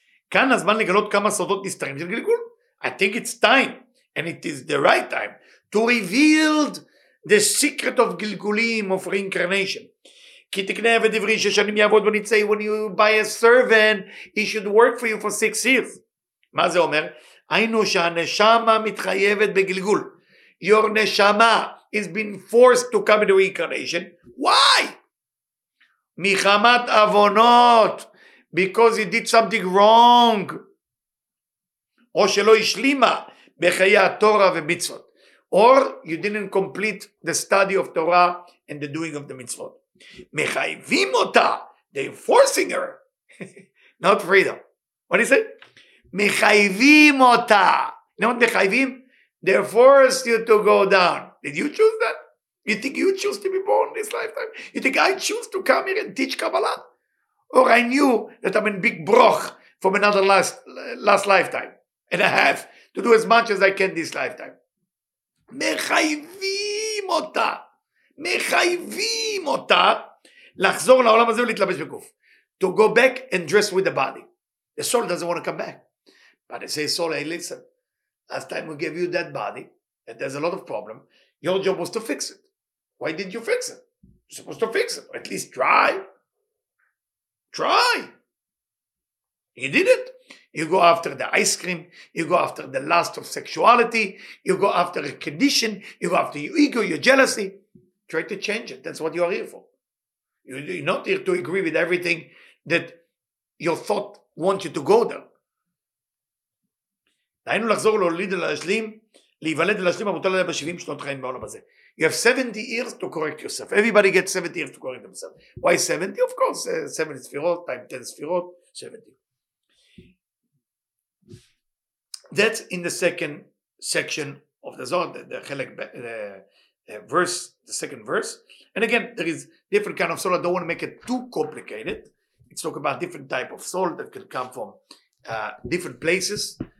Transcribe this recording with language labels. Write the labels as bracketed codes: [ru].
[he] Kan hazman legalot kama sodot nistarim shel gilgul. [en] I think it's time, and it is the right time, to reveal the secret of gilgulim, of reincarnation. [he] Ki tikne eved ivri sheshanim yavod benitzei, [en] when you buy a servant, he should work for you for 6 years. [he] מה זה אומר? היינו שהנשמה מתחייבת בגלגול. [en] Your neshama is being forced to come into reincarnation. Why? [he] מחמת אבונות. [en] Because he did something wrong. [he] או שלא השלימה בחיי התורה ומצוות. [en] Or you didn't complete the study of Torah and the doing of the mitzvot. [he] מחייבים אותה. [en] They're forcing her. Not freedom. What is it? [he] מחייבים אותה. [en] You know what מחייבים? They forced you to go down. Did you choose that? You think you choose to be born this lifetime? You think I choose to come here and teach Kabbalah? Or I knew that I'm in big broch from another last lifetime. And I have to do as much as I can this lifetime. [he] מחייבים אותה. מחייבים אותה. לחזור לעולם הזה ולהתלבש בגוף. [en] To go back and dress with the body. The soul doesn't want to come back. But they say, soul, hey, listen, last time we gave you that body, and there's a lot of problem, your job was to fix it. Why didn't you fix it? You're supposed to fix it. At least try. Try. You did it. You go after the ice cream. You go after the lust of sexuality. You go after a condition. You go after your ego, your jealousy. Try to change it. That's what you are here for. You're not here to agree with everything that your thought wants you to go there. [he] היינו לחזור להוליד ולהשלים, להיוולד ולהשלים המוטל עליה ב-70 שנות חיים בעולם הזה. [en] You have 70 years to correct yourself. Everybody gets 70 years to correct themselves. Why 70? Of course, 70 ספירות, time 10 ספירות, 70. That's in the second section of the Zohar, the second verse. And again, there is different kind of soul. I don't want to make it too complicated. It's talking about different type of soul that can come from different places.